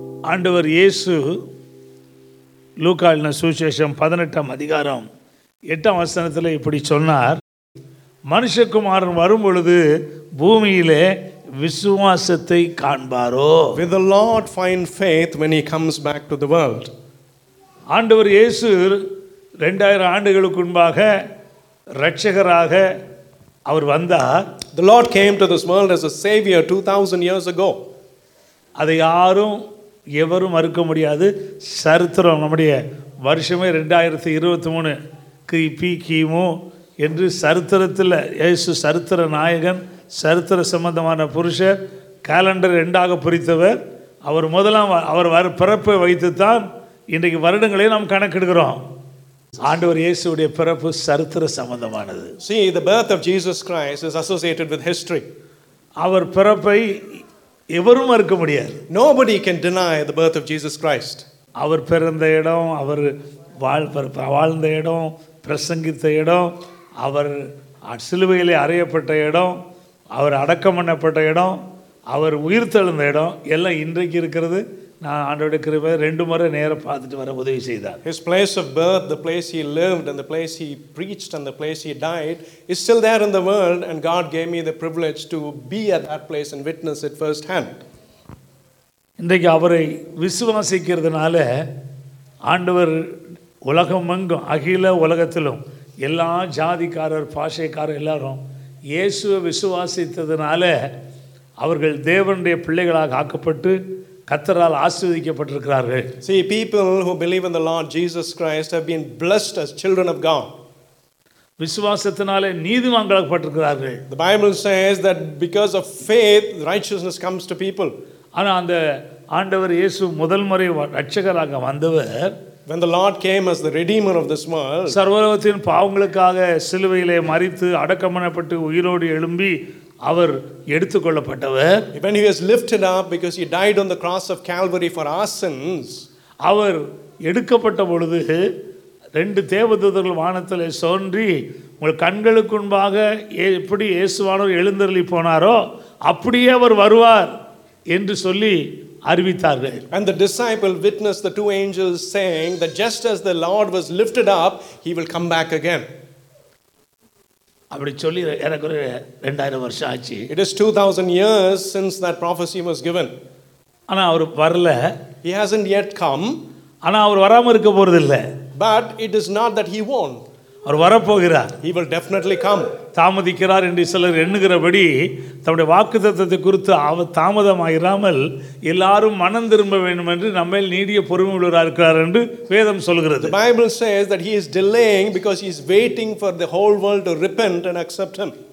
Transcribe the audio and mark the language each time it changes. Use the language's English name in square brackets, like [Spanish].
[Tamil] ஆண்டவர் இயேசு லூக்காவின் சுவிசேஷம் 18:8 இப்படி சொன்னார், மனுஷகுமாரன் வரும் பொழுது பூமியிலே விசுவாசத்தை காண்பாரோ. [English] With the Lord find faith when he comes back to the world. [Tamil] ஆண்டவர் இயேசு 2000 ஆண்டுகளுக்கு முன்பாக இரட்சகராக அவர் வந்தார். [English] The Lord came to this world as a savior 2000 years ago. [Tamil] அதை யாரும் எவரும் மறுக்க முடியாது. சரித்திரம் நம்முடைய வருஷமே 2023 கிபி கிமு என்று சரித்திரத்தில் இயேசு சரித்திர நாயகன், சரித்திர சம்பந்தமான புருஷர், கேலண்டர் ரெண்டாக பிரித்தவர். அவர் முதலாம் அவர் வர பிறப்பை வைத்து தான் இன்றைக்கு வருடங்களையும் நாம் கணக்கெடுக்கிறோம். ஆண்டவர் இயேசுடைய பிறப்பு சரித்திர சம்பந்தமானது. [English] See, the birth of Jesus Christ is associated with history. [Tamil] அவர் பிறப்பை எவரும் மறுக்க முடியாது. [English] Nobody can deny the birth of Jesus Christ. [Tamil] அவர் பிறந்த இடம், அவர் வாழ்ந்த இடம், பிரசங்கித்த இடம், அவர் சிலுவையிலே அறையப்பட்ட இடம், அவர் அடக்கம் பண்ணப்பட்ட இடம், அவர் உயிர்த்தெழுந்த இடம் எல்லாம் இன்றைக்கு இருக்கிறது. நான் ஆண்டவருடைய கிருபை ரெண்டு முறை நேரம் பார்த்துட்டு வர உதவி செய்தார். [English] His place of birth, the place he lived and the place he preached and the place he died is still there in the world and God gave me the privilege to be at that place and witness it first hand. [Tamil] இன்றைக்கு அவரை விசுவாசிக்கிறதுனால ஆண்டவர் உலகமெங்கும் அகில உலகத்திலும் எல்லா ஜாதிக்காரர் பாஷைக்காரர் எல்லாரும் இயேசுவை விசுவாசித்ததுனால அவர்கள் தேவனுடைய பிள்ளைகளாக ஆக்கப்பட்டு கர்த்தரால் ஆசீர்வதிக்கப்பட்டிருக்கிறார்கள். [English] See, people who believe in the Lord Jesus Christ have been blessed as children of God. [Tamil] விசுவாசத்தினாலே நீதி வாங்கப்பட்டிருக்கிறார்கள். [English] The Bible says that because of faith righteousness comes to people. [Tamil] ஆனால் அந்த ஆண்டவர் இயேசு முதல் முறை இரட்சகராக வந்தவர், [English] when the Lord came as the redeemer of this world, [Tamil] சர்வலோகத்தின் பாவங்களுக்காக சிலுவையிலே மரித்து அடக்கமணப்பட்டு உயிரோடு எழும்பி அவர் எடுத்துக்கொள்ளப்பட்டவர், [English] when he was lifted up because he died on the cross of Calvary for our sins, [Tamil] அவர் எடுக்கப்பட்ட பொழுது ரெண்டு தேவதூதர்கள் வானத்திலே சோன்றி உங்கள் கண்களுக்கு முன்பாக எப்படி இயேசுவானவர் எழுந்தருளி போனாரோ அப்படியே அவர் வருவார் என்று சொல்லி அறிவித்தார்கள். [English] And the disciple witnessed the two angels saying that just as the Lord was lifted up, he will come back again. [Tamil] அப்படி சொல்லி எனக்கு 2000 வருஷம் ஆச்சு. [English] It is 2000 years since that prophecy was given. [Tamil] ஆனா அவர் வரல. [English] He hasn't yet come. [Tamil] ஆனா அவர் வராம இருக்க போறது இல்ல. [English] But it is not that he won't. [Tamil] அவர் வரப்போகிறார். [English] He will definitely come. [Tamil] தாமதிக்கிறார் என்று சிலர் எண்ணுகிறபடி தம்முடைய வாக்குத்தத்தத்தை குறித்து அவர் தாமதமாயிராமல் எல்லாரும் மனம் திரும்ப வேண்டும் என்று நம்மை நீடிய பொறுமை உள்ளவராக இருக்கிறார் என்று வேதம் சொல்கிறது. [English] The Bible says that he is delaying because he is waiting for the whole world to repent and accept him.